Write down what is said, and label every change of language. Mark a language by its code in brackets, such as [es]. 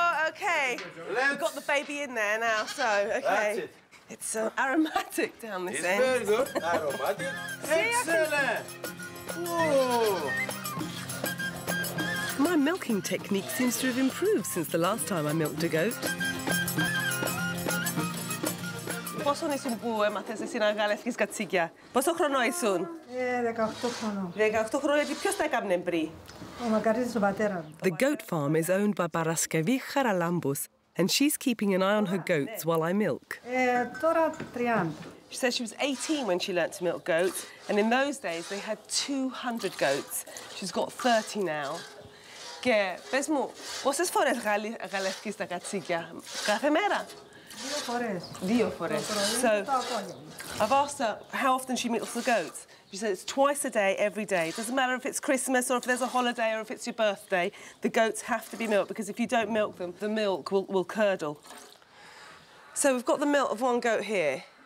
[en] Okay, we've got the baby in there now, so, okay. That's it. It's so aromatic down this end. It's very good. Aromatic. Excellent! My milking technique seems to have improved since the last time I milked a goat. [el] Πόσο ήσουν που έμαθες εσύ να γαλεύεις κατσίκια; Πόσο χρόνο ήσουν; 18 χρόνια. 18 χρόνια. Τι ποιος τα έκανε πριν; Ο μακαρίτης του πατέρα. [en] The goat farm is owned by Παρασκευή Χαραλάμπους, and she's keeping an eye on her goats while I milk. [el] Τώρα 30. [en] She says she was 18 when she learnt to milk goats, and in those days they had 200 goats. She's got 30 now. [el] Και πες μου, πόσες φορές γαλεύεις τα κατσίκια, κάθε μέρα? Δύο φορές. [en] So, I've asked her how often she milks the goats. She says it's twice a day, every day. It doesn't matter if it's Christmas or if there's a holiday or if it's your birthday, the goats have to be milked, because if you don't milk them, the milk will curdle. So we've got the milk of one goat here.